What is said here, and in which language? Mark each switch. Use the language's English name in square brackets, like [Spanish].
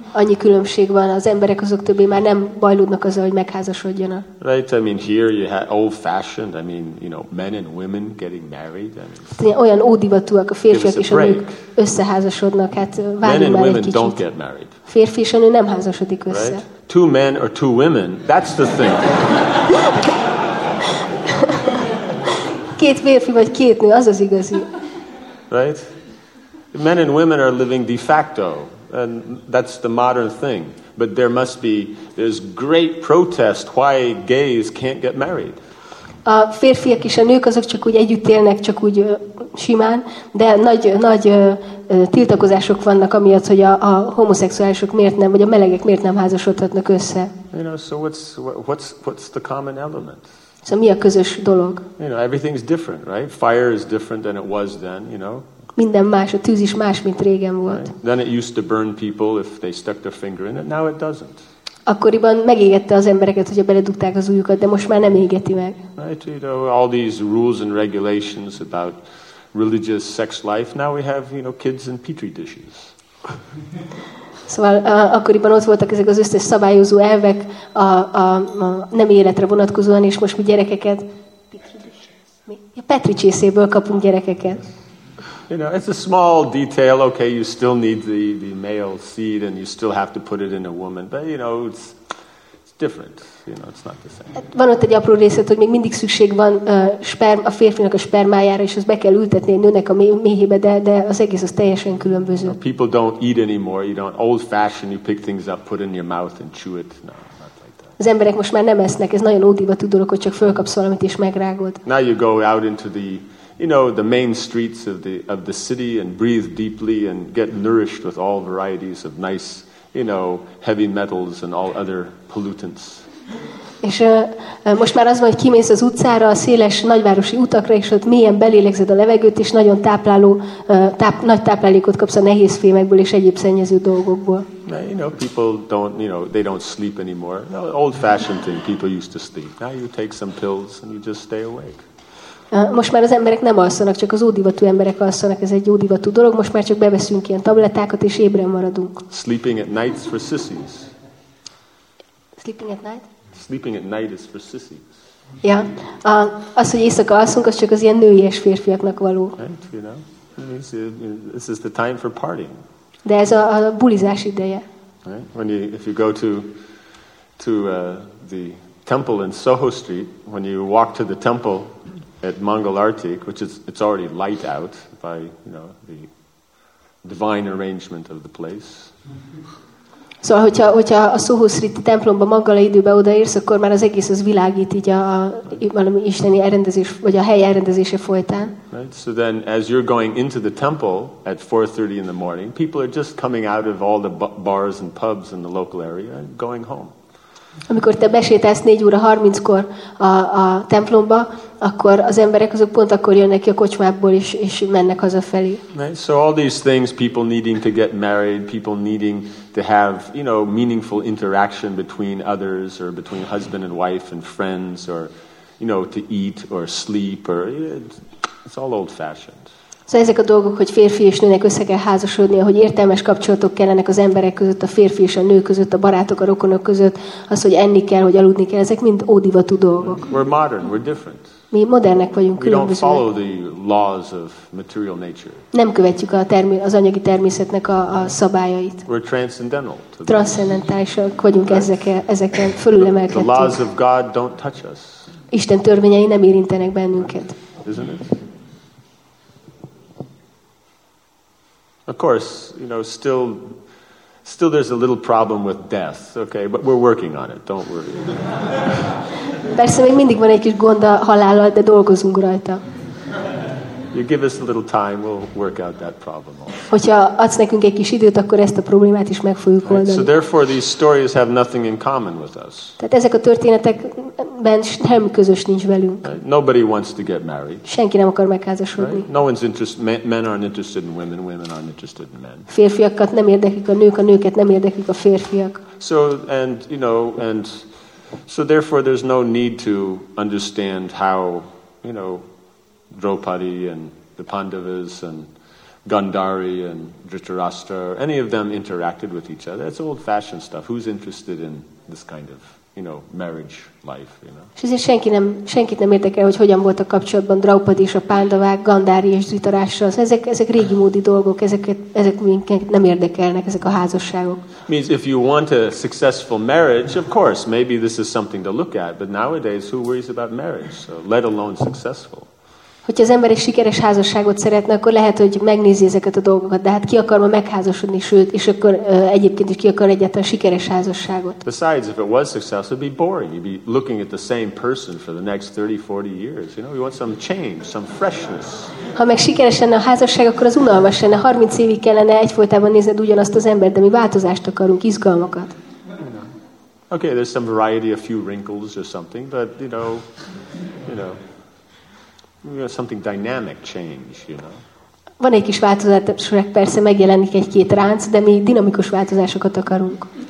[Hungarian] Annyi különbség van, az emberek azok többé már nem bajlódnak azzal, hogy megházasodjanak. [English] Right, I mean, here you have old-fashioned, I mean, you know, men and women getting married. I mean, [Hungarian] olyan ódivatúak a férfiak és a nők összeházasodnak, hát várjunk már egy kicsit. [English] Men and women don't get married. [Hungarian] Férfi és a nő nem házasodik össze. [English] Right? Two men or two women, that's the thing. [Hungarian] Két férfi vagy két nő, az az igazi. [English] Right? Men and women are living de facto, and that's the modern thing. But there must be, there's great protest why gays can't get married. [Hungarian] A férfiak és a nők azok csak úgy együtt élnek, csak úgy simán, de nagy tiltakozások vannak amiatt, hogy a homoszexuálisok miért nem, vagy a melegek miért nem házasodhatnak össze. [English] You know, so what's the common element? [Hungarian] Szóval mi a közös dolog? [English] You know, everything's different, right? Fire is different than it was then, you know? [Hungarian] Minden más, a tűz is más, mint régen volt. [English] Right? Then it used to burn people if they stuck their finger in it, now it doesn't. [Hungarian] Akkoriban megégette az embereket, hogyha beledugták az ujjukat, de most már nem égeti meg. [English] Right, you know, all these rules and regulations about religious sex life, now we have, you know, kids in petri dishes. [Hungarian] Szóval akkoriban ott voltak ezek az összes szabályozó elvek a nem életre vonatkozóan, és most mi gyerekeket petri csészéből kapunk gyerekeket. [English] You know, it's a small detail. Okay, you still need the male seed and you still have to put it in a woman, but you know, it's different. You know, it's not the same. [Hungarian] Van ott egy apró részlet, hogy még mindig szükség van a férfinak a spermájára, és azt be kell ültetni a nőnek a méhébe, de az egész az teljesen különböző. [English] You know, people don't eat anymore. You don't old fashioned. You pick things up, put in your mouth and chew it. No, not like that. [Hungarian] Az emberek most már nem esznek. Ez nagyon ódivatú dolog, hogy csak fölkapsz valamit és megrágod. [English] Now you go out into the, you know, the main streets of the city and breathe deeply and get nourished with all varieties of nice, you know, heavy metals and all other pollutants. [Hungarian] És most már az van, hogy kimész az utcára, a széles nagyvárosi utakra, és ott mélyen belélegzed a levegőt, és nagyon tápláló, nagy táplálékot kapsz a nehéz fémekből és egyéb szennyező dolgokból. [English] Now, you know, people don't, you know, they don't sleep anymore. No, old-fashioned thing, people used to sleep. Now you take some pills and you just stay awake. [Hungarian] Most már az emberek nem alszanak, csak az ódivatú emberek alszanak. Ez egy ódivatú dolog. Most már csak beveszünk ilyen tablettákat, és ébren maradunk. [English] Sleeping at night for sissies. Sleeping at night? Sleeping at night is for sissies. Ja. [Hungarian] Az, hogy éjszaka alszunk, az csak az ilyen nőies férfiaknak való. [English] Right, you know? This is the time for partying. [Hungarian] De ez a bulizás ideje. [English] Right? When you, if you go to the temple in Soho Street, when you walk to the temple at Mangalartik, which is, it's already light out by, you know, the divine arrangement of the place. [Hungarian] Szóval, hogyha a Szóhószriti templomba maggal időbe odaérsz, akkor már az egész az világít így a valami isteni elrendezés vagy a hely elrendezése folytán. [English] Right. So then as you're going into the temple at 4:30 in the morning, people are just coming out of all the bars and pubs in the local area and going home. [Hungarian] Amikor te besétálsz 4:30-kor a templomba, akkor az emberek azok pont akkor jönnek ki a kocsmából is, és mennek hazafelé. [English] Right. So all these things, people needing to get married, people needing to have, you know, meaningful interaction between others or between husband and wife and friends or, you know, to eat or sleep or it's all old fashioned. [Hungarian] Szóval ezek a dolgok, hogy férfi és nőnek össze kell házasodnia, hogy értelmes kapcsolatok kellenek az emberek között, a férfi és a nő között, a barátok, a rokonok között, az, hogy enni kell, hogy aludni kell, ezek mind ódivatú dolgok. [English] We're modern, we're different. [Hungarian] Mi modernek vagyunk, különbözőek. [English] We don't follow the laws of material nature. [Hungarian] Nem követjük az anyagi természetnek a szabályait. [English] We're transcendental. [Hungarian] Transzcendentálisak vagyunk ezeken fölülemelkedtünk. [English] The laws of God don't touch us. [Hungarian] Isten törvényei nem érintenek bennünket. [English] Isn't it? Of course, you know, still there's a little problem with death, okay, but we're working on it, don't worry. [Hungarian] Persze még mindig van egy kis gond a halállal, de dolgozunk rajta. [English] You give us a little time, we'll work out that problem also. [Hungarian] Hogyha adsz nekünk egy kis időt, akkor ezt a problémát is meg fogjuk oldani. [English] So therefore these stories have nothing in common with us. [Hungarian] Tehát ezek a történetekben semmi közös nincs velünk. [English] Nobody wants to get married. [Hungarian] Senki nem akar megházasodni. [English] No one's interested, men aren't interested in women, women aren't interested in men. [Hungarian] Férfiakat nem érdeklik a nőket nem érdeklik a férfiak. [English] So and you know and so therefore there's no need to understand how, you know, Draupadi and the Pandavas and Gandhari and Dhritarashtra, any of them interacted with each other. It's old fashioned stuff. Who's interested in this kind of, you know, marriage life, you know? [Hungarian] Szóval senkit nem érdekel, hogy hogyan voltak kapcsolatban Draupadi és a Pandavák, Gandhari és Dhritarashtra. Ezek régi módi dolgok, ezek minket nem érdekelnek, ezek a házasságok. [English] Means if you want a successful marriage, of course, maybe this is something to look at, but nowadays who worries about marriage, so let alone successful. [Hungarian] Hogyha az ember egy sikeres házasságot szeretne, akkor lehet, hogy megnézi ezeket a dolgokat. De hát ki akar ma megházasodni, sőt, és akkor egyébként is ki akar egyáltalán sikeres házasságot. [English] Besides, if it was successful, it'd be boring. You'd be looking at the same person for the next 30-40 years. You know, you want some change, some freshness. [Hungarian] Ha meg sikeres lenne a házasság, akkor az unalmas lenne. 30 évig kellene egyfolytában nézned ugyanazt az embert, de mi változást akarunk, izgalmakat. [English] Okay, there's some variety, a few wrinkles or something, but you know. You know, something dynamic change, you know. [Hungarian] Van egy kis változás, persze megjelenik egy-két ránc, de mi dinamikus változásokat akarunk.